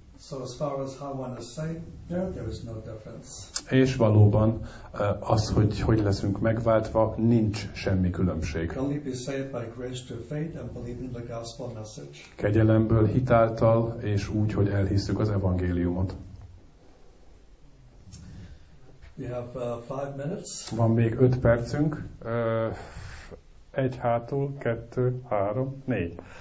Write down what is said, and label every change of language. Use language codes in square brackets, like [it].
[en] So as far as how one is saved, there is no difference. [hu] És valóban az, hogy hogy leszünk megváltva, nincs semmi különbség. [en] Only be saved by grace through faith and believing the gospel message. [hu] Kegyelemből, hitáltal és úgy, hogy elhisszük az evangéliumot. [en] We have 5 minutes. [hu] Van még 5 percünk. Egy hátul, kettő, három, négy.